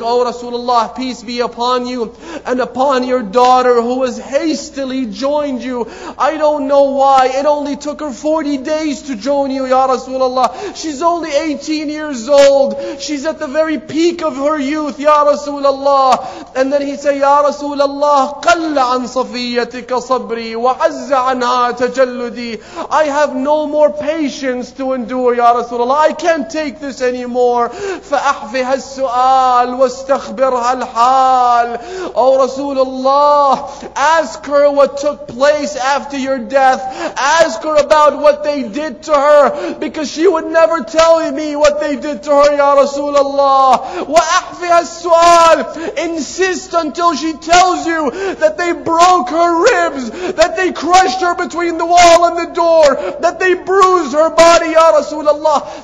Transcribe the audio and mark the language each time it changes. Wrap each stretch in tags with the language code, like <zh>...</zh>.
<en>O Rasulullah, peace be upon you and upon your daughter who has hastily joined you. I don't know why, it only took her 40 days to join you, Ya Rasulullah. Rasulullah. She's only 18 years old. She's at the very peak of her youth, Ya Rasulullah. And then he said, Ya Rasulullah,</en> <ar>قل عن صفيتك صبري وعز عنها تجلدي.</ar> <en>I have no more patience to endure, Ya Rasulullah. I can't take this anymore.</en> <ar>فأحفها السؤال واستخبرها الحال.</ar> <en>Oh Rasulullah, ask her what took place after your death. Ask her about what they did to her, because she would never tell me what they did to her, Ya Rasulullah.</en> <ar>وأحفها السؤال.</ar> <en>Insist until she tells you that they broke her ribs, that they crushed her between the wall and the door, that they bruised her body, Ya Rasulullah.</en>